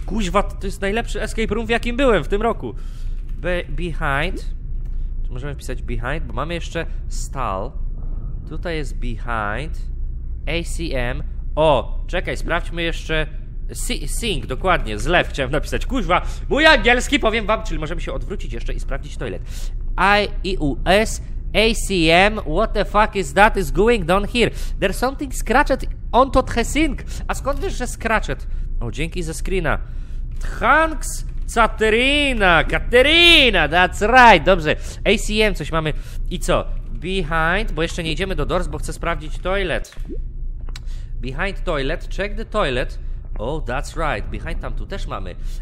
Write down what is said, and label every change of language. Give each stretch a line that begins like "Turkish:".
Polish: Kuźwa, to jest najlepszy escape room, w jakim byłem w tym roku. Behind. Czy możemy wpisać behind? Bo mamy jeszcze stall. Tutaj jest behind. ACM. O, czekaj, sprawdźmy jeszcze. Sing, dokładnie, zlew chciałem napisać. Kuźwa, mój angielski, powiem wam, czyli możemy się odwrócić jeszcze i sprawdzić toilet.
English: IEUS ACM, what the fuck is that is going on here? There's something scratched on to the sink.
Polish: A skąd wiesz, że scratched? O, dzięki ze screena. Thanks, Caterina. Caterina,
English: that's right.
Polish: Dobrze, ACM, coś mamy. I co? Behind, bo jeszcze nie idziemy do doors, bo chcę sprawdzić toilet.
English: Behind toilet, check the toilet. Oh, that's right, behind
Polish: tam tu też mamy.